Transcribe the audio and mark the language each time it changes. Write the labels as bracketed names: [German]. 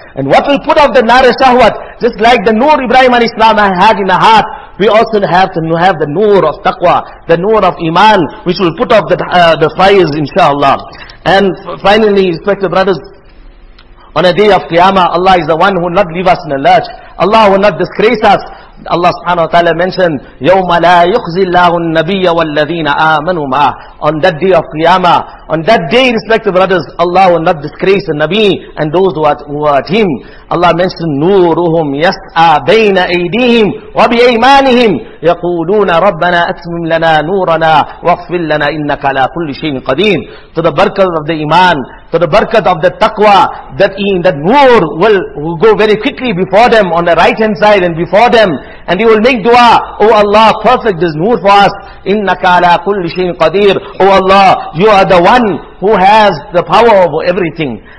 [English] And what will put off the nar shahwat? Just like the nur Ibrahim alayhi salam had in the heart, we also have to have the nur of taqwa, the nur of iman, which will put off the fires, inshallah. And finally, respective brothers, on a day of Qiyamah, Allah is the one who will not leave us in the lurch. Allah will not disgrace us. [Arabic] Allah subhanahu wa ta'ala [English] mentioned, [Arabic] يَوْمَ لَا يُخْزِ اللَّهُ النَّبِيَّ وَالَّذِينَ آمَنُوا مَعَهُ. [English] On that day of Qiyamah, on that day, respected brothers, Allah will not disgrace the Nabi and those who are him. [Arabic] Allah [English] mentioned, [Arabic] نُورُهُمْ يَسْعَى بَيْنَ أَيْدِيهِمْ وَبِأَيْمَانِهِمْ يَقُولُونَ رَبَّنَا أَتْمِمْ لَنَا نُورَنَا وَغْفِرْ لَنَا إِنَّكَ عَلَىٰ كُلِّ شَيْءٍ قَدِيرٌ. [English] To the barakah of the iman, to the barakah of the taqwa, that noor will go very quickly before them on the right hand side and before them, and they will make dua, oh Allah, perfect this noor for us. [Arabic] إِنَّكَ عَلَىٰ كُلِّ شَيْءٍ قَدِيرٌ. [English] Oh Allah, you are the one who has the power over everything.